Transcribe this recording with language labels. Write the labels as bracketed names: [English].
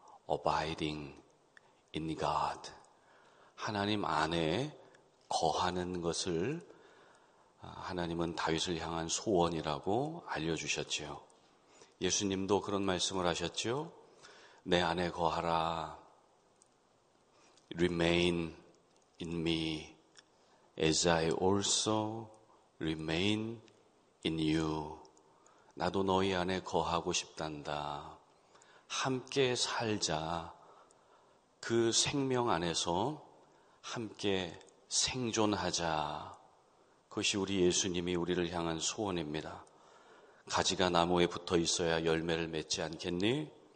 [English] Abiding in God. [Korean] 하나님 안에 거하는 것을 하나님은 다윗을 향한 소원이라고 알려주셨지요. 예수님도 그런 말씀을 하셨지요. 내 안에 거하라. [English] Remain in me as I also remain in you. [Korean] 나도 너희 안에 거하고 싶단다. 함께 살자. 그 생명 안에서 함께 생존하자. 그것이 우리 예수님이 우리를 향한 소원입니다. 가지가 나무에 붙어 있어야 열매를 맺지 않겠니?